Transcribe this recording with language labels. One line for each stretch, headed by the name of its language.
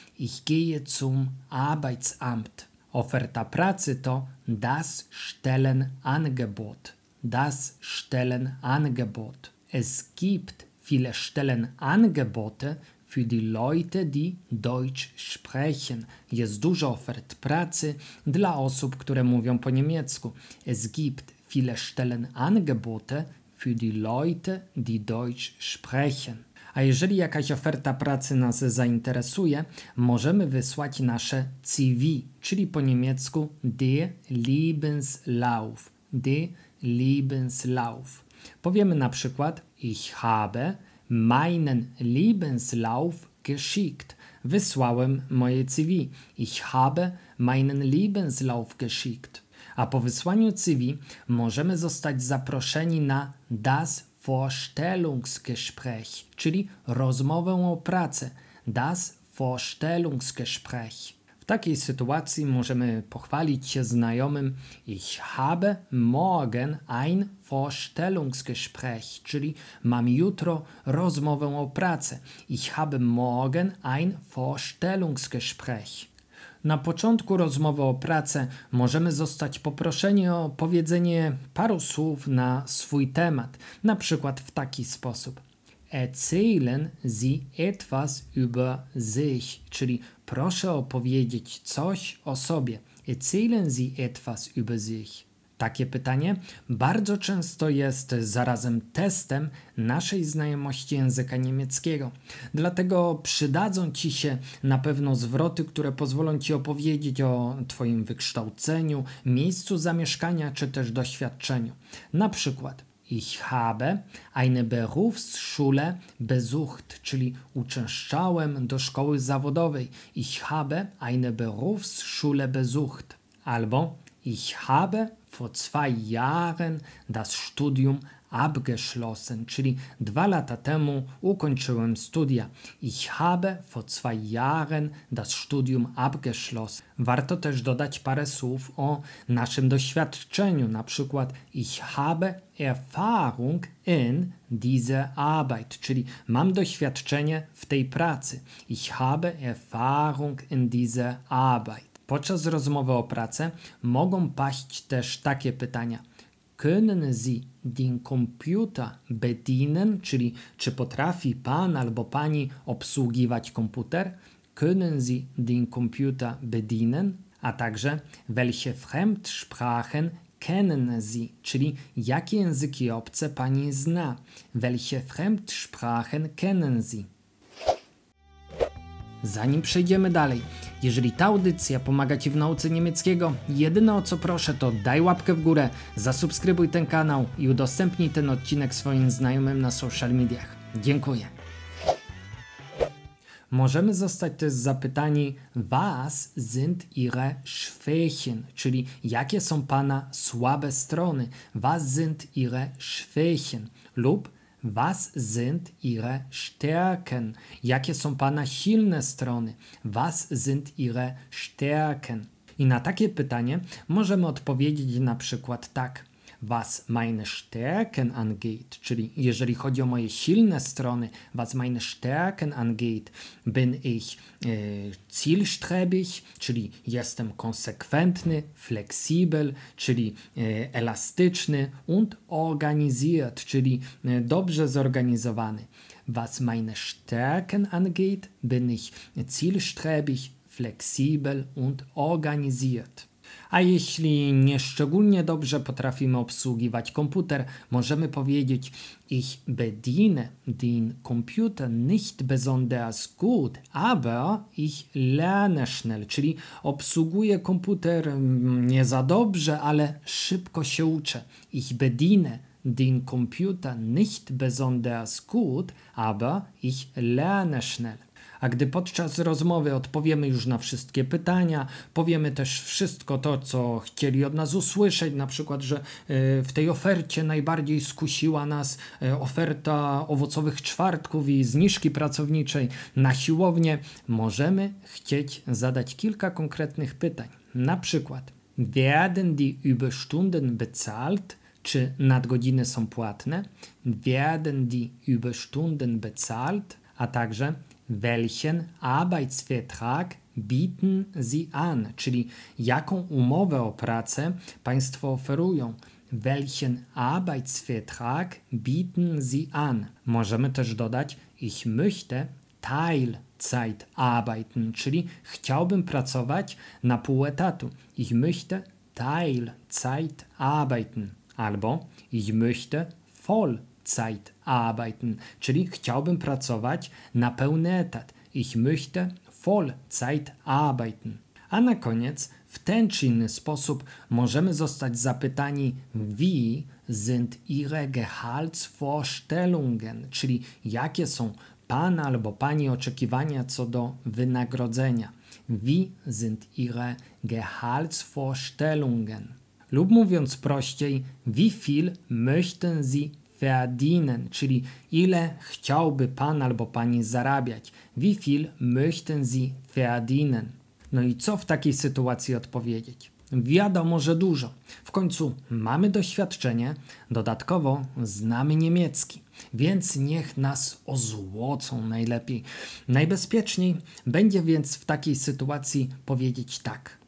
German: Ich gehe zum Arbeitsamt.
Polish: Oferta pracy to
German: Das Stellenangebot. Das Stellenangebot. Es gibt viele Stellenangebote für die Leute, die Deutsch sprechen.
Polish: Jest dużo ofert pracy dla osób, które mówią po niemiecku.
German: Es gibt viele Stellenangebote für die Leute, die Deutsch sprechen.
Polish: A jeżeli jakaś oferta pracy nas zainteresuje, możemy wysłać nasze CV, czyli po niemiecku Der Lebenslauf.
German: Der Lebenslauf.
Polish: Powiemy na przykład
German: Ich habe meinen Lebenslauf geschickt.
Polish: Wysłałem moje CV.
German: Ich habe meinen Lebenslauf geschickt.
Polish: A po wysłaniu CV możemy zostać zaproszeni na das Vorstellungsgespräch, czyli rozmowę o pracę.
German: Das Vorstellungsgespräch.
Polish: W takiej sytuacji możemy pochwalić się znajomym.
German: Ich habe morgen ein Vorstellungsgespräch,
Polish: czyli mam jutro rozmowę o pracę.
German: Ich habe morgen ein Vorstellungsgespräch.
Polish: Na początku rozmowy o pracę możemy zostać poproszeni o powiedzenie paru słów na swój temat, na przykład w taki sposób.
German: Erzählen Sie etwas über sich,
Polish: czyli proszę opowiedzieć coś o sobie.
German: Erzählen Sie etwas über sich.
Polish: Takie pytanie bardzo często jest zarazem testem naszej znajomości języka niemieckiego. Dlatego przydadzą Ci się na pewno zwroty, które pozwolą Ci opowiedzieć o Twoim wykształceniu, miejscu zamieszkania czy też doświadczeniu. Na przykład
German: Ich habe eine Berufsschule besucht,
Polish: czyli uczęszczałem do szkoły zawodowej.
German: Ich habe eine Berufsschule besucht.
Polish: Albo
German: Ich habe vor zwei Jahren das Studium abgeschlossen,
Polish: czyli dwa lata temu ukończyłem studia.
German: Ich habe vor zwei Jahren das Studium abgeschlossen.
Polish: Warto też dodać parę słów o naszym doświadczeniu, na przykład
German: Ich habe Erfahrung in dieser Arbeit,
Polish: czyli mam doświadczenie w tej pracy.
German: Ich habe Erfahrung in dieser Arbeit.
Polish: Podczas rozmowy o pracę mogą paść też takie pytania.
German: Können Sie den Computer bedienen?
Polish: Czyli czy potrafi pan albo pani obsługiwać komputer?
German: Können Sie den Computer bedienen?
Polish: A także
German: welche Fremdsprachen kennen Sie?
Polish: Czyli jakie języki obce pani zna?
German: Welche Fremdsprachen kennen Sie?
Polish: Zanim przejdziemy dalej, jeżeli ta audycja pomaga Ci w nauce niemieckiego, jedyne o co proszę to daj łapkę w górę, zasubskrybuj ten kanał i udostępnij ten odcinek swoim znajomym na social mediach. Dziękuję. Możemy zostać też zapytani,
German: was sind ihre Schwächen,
Polish: czyli jakie są Pana słabe strony, was sind ihre Schwächen lub
German: Was sind Ihre Stärken?
Polish: Jakie są Pana silne strony?
German: Was sind Ihre Stärken?
Polish: I na takie pytanie możemy odpowiedzieć na przykład tak.
German: Was meine Stärken angeht,
Polish: czyli jeżeli chodzi o moje silne strony,
German: was meine Stärken angeht, bin ich zielstrebig,
Polish: czyli jestem konsekwentny, flexibel, czyli elastyczny
German: und organisiert,
Polish: czyli dobrze zorganizowany.
German: Was meine Stärken angeht, bin ich zielstrebig, flexibel und organisiert.
Polish: A jeśli nieszczególnie dobrze potrafimy obsługiwać komputer, możemy powiedzieć:
German: Ich bediene den Computer nicht besonders gut, aber ich lerne schnell.
Polish: Czyli obsługuję komputer nie za dobrze, ale szybko się uczę.
German: Ich bediene den Computer nicht besonders gut, aber ich lerne schnell.
Polish: A gdy podczas rozmowy odpowiemy już na wszystkie pytania, powiemy też wszystko to, co chcieli od nas usłyszeć, na przykład, że w tej ofercie najbardziej skusiła nas oferta owocowych czwartków i zniżki pracowniczej na siłownię, możemy chcieć zadać kilka konkretnych pytań. Na przykład,
German: werden die Überstunden bezahlt?
Polish: Czy nadgodziny są płatne?
German: Werden die Überstunden bezahlt?
Polish: A także,
German: welchen Arbeitsvertrag bieten Sie an?
Polish: Czyli jaką umowę o pracę Państwo oferują?
German: Welchen Arbeitsvertrag bieten Sie an?
Polish: Możemy też dodać:
German: Ich möchte Teilzeit arbeiten,
Polish: czyli chciałbym pracować na pół etatu.
German: Ich möchte Teilzeit arbeiten.
Polish: Albo
German: Ich möchte Vollzeit arbeiten,
Polish: czyli chciałbym pracować na pełny etat.
German: Ich möchte Vollzeit arbeiten.
Polish: A na koniec w ten czy inny sposób możemy zostać zapytani:
German: Wie sind Ihre Gehaltsvorstellungen?
Polish: Czyli jakie są Pana albo Pani oczekiwania co do wynagrodzenia?
German: Wie sind Ihre Gehaltsvorstellungen?
Polish: Lub mówiąc prościej,
German: wie viel möchten Sie verdienen,
Polish: czyli ile chciałby Pan albo Pani zarabiać.
German: Wie viel möchten Sie verdienen?
Polish: No i co w takiej sytuacji odpowiedzieć? Wiadomo, że dużo. W końcu mamy doświadczenie, dodatkowo znamy niemiecki, więc niech nas ozłocą najlepiej. Najbezpieczniej będzie więc w takiej sytuacji powiedzieć tak.